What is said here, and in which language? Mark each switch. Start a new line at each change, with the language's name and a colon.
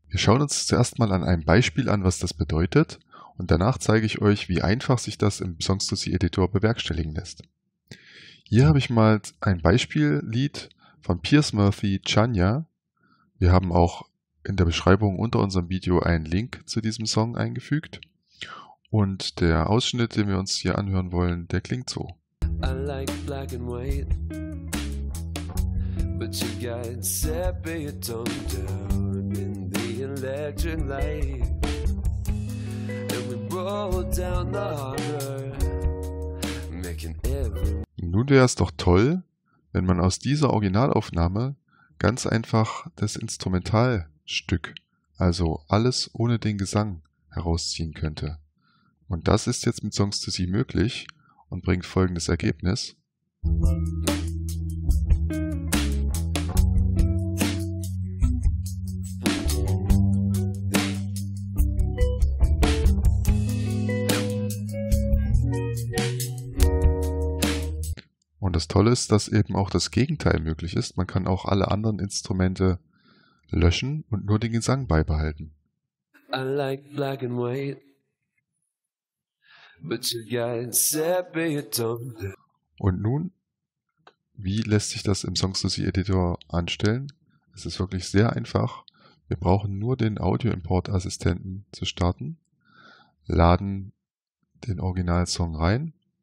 German: Wir schauen uns zuerst mal an einem Beispiel an, was das bedeutet, und danach zeige ich euch, wie einfach sich das im Songstacy Editor bewerkstelligen lässt. Hier habe ich mal ein Beispiellied von Piers Murphy, Chanya. Wir haben auch in der Beschreibung unter unserem Video einen Link zu diesem Song eingefügt. Und der Ausschnitt, den wir uns hier anhören wollen, der klingt so.
English: I like black and white, but you got separate on down in the electric light. And we roll down the harbor, making every.
German: Nun wäre es doch toll, wenn man aus dieser Originalaufnahme ganz einfach das Instrumentalstück, also alles ohne den Gesang, herausziehen könnte. Und das ist jetzt mit Songstacy möglich und bringt folgendes Ergebnis. Und das Tolle ist, dass eben auch das Gegenteil möglich ist. Man kann auch alle anderen Instrumente löschen und nur den Gesang beibehalten.
English: I like black and white, but you got separate on the.
German: Und nun, wie lässt sich das im Songstacy Editor anstellen? Es ist wirklich sehr einfach. Wir brauchen nur den Audio-Import-Assistenten zu starten, laden den Originalsong rein.